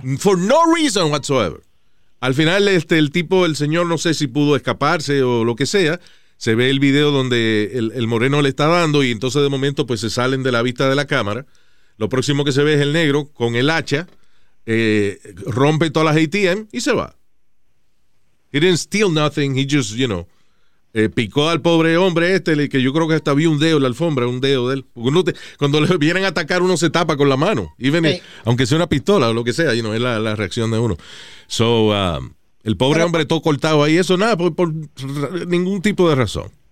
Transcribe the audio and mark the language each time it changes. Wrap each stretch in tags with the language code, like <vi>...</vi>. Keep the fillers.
<en>know, for no reason whatsoever.</en> <es>Al final, este, el tipo, el señor, no sé si pudo escaparse o lo que sea. Se ve el video donde el, el, moreno le está dando y entonces de momento pues se salen de la vista de la cámara. Lo próximo que se ve es el negro con el hacha, eh, rompe todas las ATM y se va.</es> <en>He didn't steal nothing, he just, you know.</en> <es>Eh, picó al pobre hombre este, que yo creo que hasta vi un dedo en la alfombra, un dedo de él. cuando le vienen a atacar, uno se tapa con la mano. y venir sí. aunque sea una pistola o lo que sea, y no es la, la reacción de uno. So, uh, el pobre Pero hombre por... todo cortado ahí, eso nada, por, por, por, ningún tipo de razón.</es>